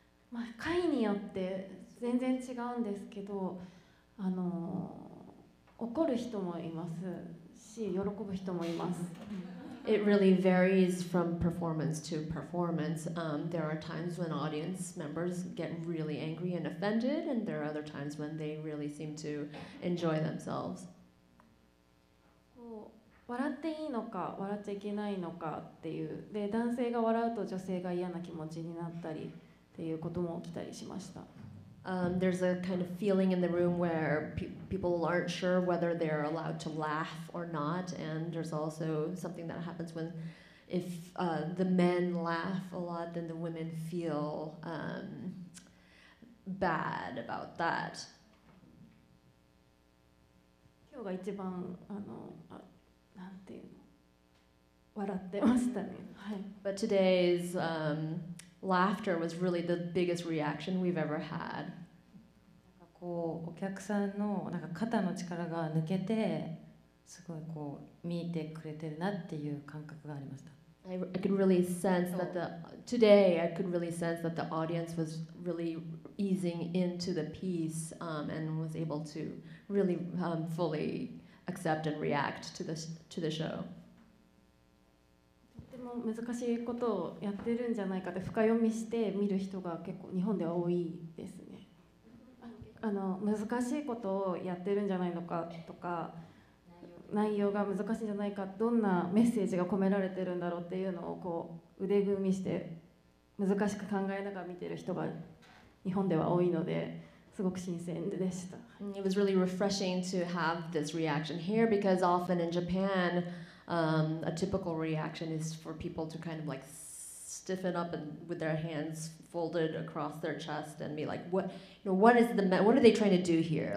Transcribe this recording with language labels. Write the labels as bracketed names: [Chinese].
[Japanese] まあ、回によって全然違うんですけど、怒る人もいますし、喜ぶ人もいます。 [English] It really varies from performance to performance. There are times when audience members get really angry and offended, and there are other times when they really seem to enjoy themselves. [Japanese] こう笑っていいのか笑っちゃいけないのかっていうで男性が笑うと女性が嫌な気持ちになったりっていうことも起きたりしました。 [English] There's a kind of feeling in the room where people aren't sure whether they're allowed to laugh or not, and there's also something that happens when if the men laugh a lot, then the women feel bad about that. [Japanese] 今日が一番なんていうの笑ってましたね。はい。 [English] But today's laughter was really the biggest reaction we've ever had. [Japanese] こうお客さんのなんか肩の力が抜けてすごいこう見えてくれてるなっていう感覚がありました。 [English] I could really sense that today I could really sense that the audience was really easing into the piece and was able to really fully accept and react to the show. [Japanese] とっても難しいことをやってるんじゃないかって深読みして見る人が結構日本では多いですね。あの難しいことをやってるんじゃないのかとか、内容が難しいんじゃないか、どんなメッセージが込められてるんだろうっていうのをこう腕組みして難しく考えながら見てる人が日本では多いので、すごく新鮮でした。 [English] It was really refreshing to have this reaction here because often in Japan, a typical reaction is for people to kind of like stiffen up and with their hands folded across their chest and be like, what, you know, what is the, what are they trying to do here?